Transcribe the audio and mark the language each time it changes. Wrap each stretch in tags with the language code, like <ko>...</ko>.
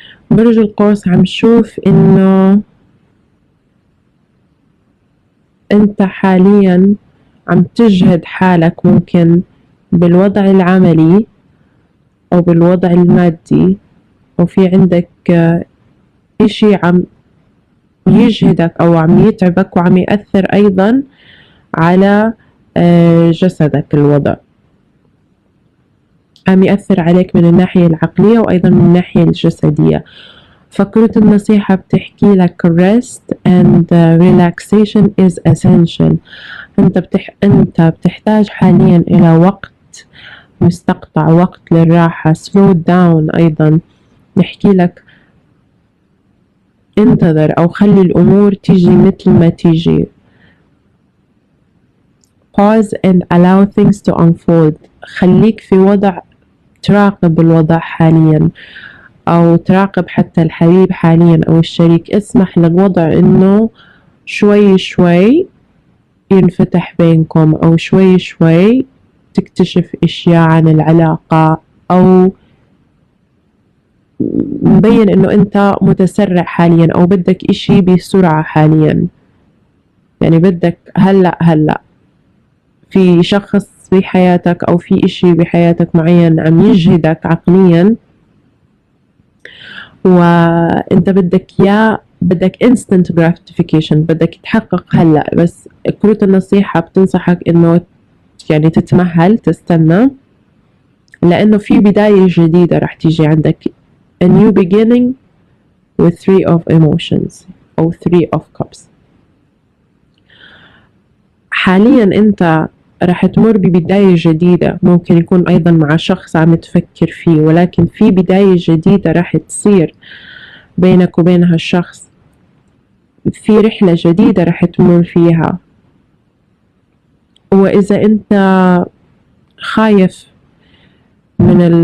<ar>برج القوس عم شوف انه انت حاليا عم تجهد حالك، ممكن بالوضع العملي او بالوضع المادي، وفي عندك اشي عم يجهدك او عم يتعبك وعم يأثر ايضا على جسدك. الوضع عم يأثر عليك من الناحية العقلية وأيضا من الناحية الجسدية. فكرة النصيحة بتحكي لك</ar> <en>rest and relaxation is essential.</en> <ar>أنت بتحتاج حاليا إلى وقت مستقطع، وقت للراحة،</ar> <en>slow down.</en> <ar>أيضا بحكي لك انتظر أو خلي الأمور تيجي مثل ما تيجي.</ar> <en>pause and allow things to unfold.</en> <ar>خليك في وضع تراقب الوضع حاليا، او تراقب حتى الحبيب حاليا او الشريك. اسمح للوضع انه شوي شوي ينفتح بينكم، او شوي شوي تكتشف اشياء عن العلاقة، او مبين انه انت متسرع حاليا او بدك اشي بسرعة حاليا، يعني بدك هلأ هلأ. في شخص في حياتك او في اشي بحياتك معين عم يجهدك عقليا، وانت بدك اياه، بدك</ar> <en>instant gratification،</en> <ar>بدك تحقق هلا. بس كروت النصيحة بتنصحك انه يعني تتمهل، تستنى، لانه في بداية جديدة رح تيجي عندك.</ar> <en>a new beginning with three of emotions او three of cups.</en> <ar>حاليا انت رح تمر ببداية جديدة، ممكن يكون أيضا مع شخص عم تفكر فيه، ولكن في بداية جديدة رح تصير بينك وبين هالشخص. في رحلة جديدة رح تمر فيها، وإذا أنت خايف من</ar>